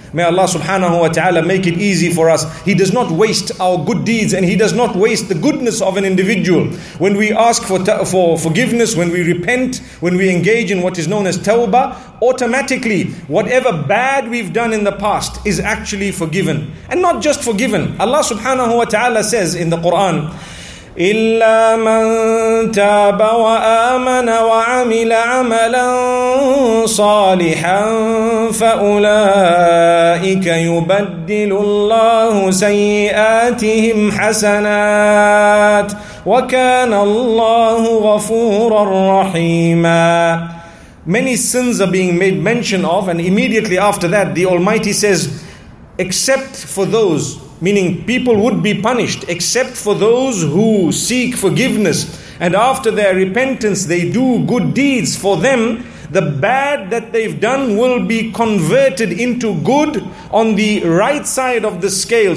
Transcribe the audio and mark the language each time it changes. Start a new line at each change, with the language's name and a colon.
English: May Allah subhanahu wa ta'ala make it easy for us. He does not waste our good deeds, and He does not waste the goodness of an individual. When we ask for forgiveness, when we repent, when we engage in what is known as tawbah, automatically whatever bad we've done in the past is actually forgiven. And not just forgiven. Allah subhanahu wa ta'ala says in the Quran,
Arabic: إلا من تاب وآمن وعمل عملا صالحا فأولئك يبدل الله سيئاتهم حسنات وكان الله غفورا رحيما.
English: Many sins are being made mention of, and immediately after that the Almighty says, except for those, meaning people would be punished except for those who seek forgiveness. And after their repentance, they do good deeds. For them, the bad that they've done will be converted into good on the right side of the scale.